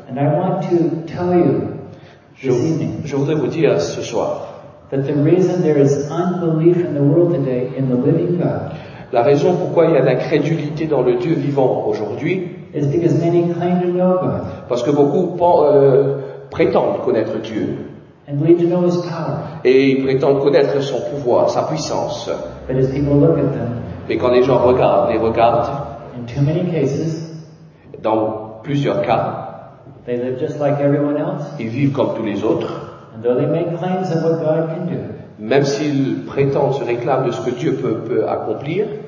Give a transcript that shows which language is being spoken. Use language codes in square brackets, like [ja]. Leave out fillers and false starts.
[en] And I want to tell you [fr] je voudrais vous dire ce soir. [en] That the reason there is unbelief in the world today in the living God. [fr] La raison pourquoi il y a l'incrédulité dans le Dieu vivant aujourd'hui. [en] Is because many claim to know God. [fr] Parce que beaucoup prétendent connaître Dieu. [en] And believe to know His power. [fr] Et ils prétendent connaître son pouvoir, sa puissance. [en] But as people look at them. [fr] Et quand les gens regardent. [en] In too many cases. [fr] Dans plusieurs cas. [en] They live just like everyone else. [fr] Ils vivent comme tous les autres. [en] Though they make claims of what God can do. [fr] Même s'ils prétendent, se réclament de ce que Dieu peut accomplir.